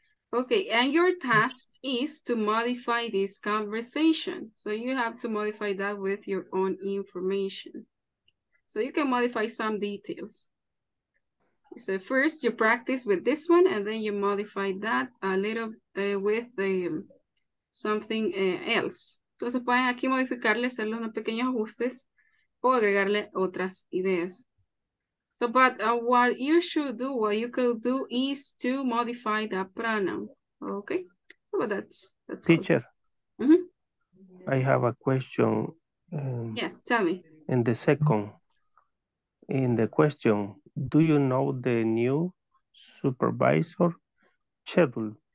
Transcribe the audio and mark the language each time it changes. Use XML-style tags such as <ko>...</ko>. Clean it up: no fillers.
<en>Okay, and your task is to modify this conversation. So you have to modify that with your own information. So you can modify some details. So first you practice with this one and then you modify that a little with something else.</en> <es>Entonces pueden aquí modificarle, hacerle unos pequeños ajustes o agregarle otras ideas.</es> <en>So, but what you should do, what you could do is to modify the pronoun. Okay. So, but that's teacher. Mm-hmm. I have a question. Yes, tell me. In the second, in the question, do you know the new supervisor schedule?</en>